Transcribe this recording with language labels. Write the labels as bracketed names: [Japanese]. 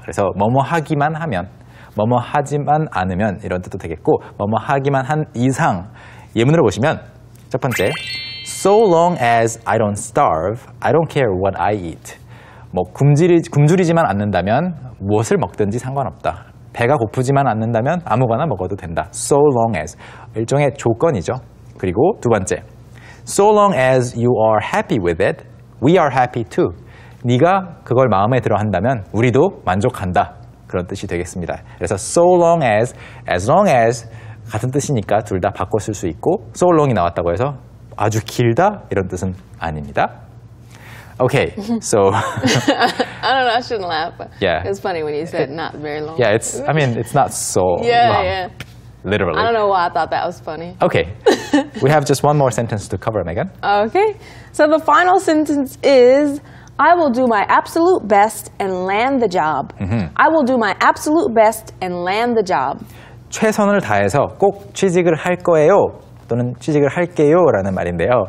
[Korean] 그래서 뭐뭐 하기만 하면, 뭐뭐 하지만 않으면 이런 뜻도 되겠고 뭐뭐 하기만 한 이상, 예문으로 보시면 첫 번째, [English] So long as I don't starve, I don't care what I eat. [Korean] 뭐 굶주리지만 않는다면 무엇을 먹든지 상관없다. 배가 고프지만 않는다면 아무거나 먹어도 된다. So long as, 일종의 조건이죠. 그리고 두 번째, [English] So long as you are happy with it, we are happy too. [Korean] 네가 그걸 마음에 들어 한다면 우리도 만족한다. 그런 뜻이 되겠습니다. 그래서 so long as 같은 뜻이니까 둘 다 바꿔 쓸 수 있고 so long이 나왔다고 해서 아주 길다 이런 뜻은 아닙니다. Okay, so... [English] I don't know, I shouldn't laugh, but yeah. it's funny when you said not very long. Yeah, it's, I mean, it's not so yeah, long, yeah. literally. I don't know why I thought that was funny. Okay. We have just one more sentence to cover, Megan. Okay. So the final sentence is, I will do my absolute best and land the job. Mm-hmm. I will do my absolute best and land the job. [Korean] 최선을 다해서 꼭 취직을 할 거예요. 또는 취직을 할게요 라는 말인데요.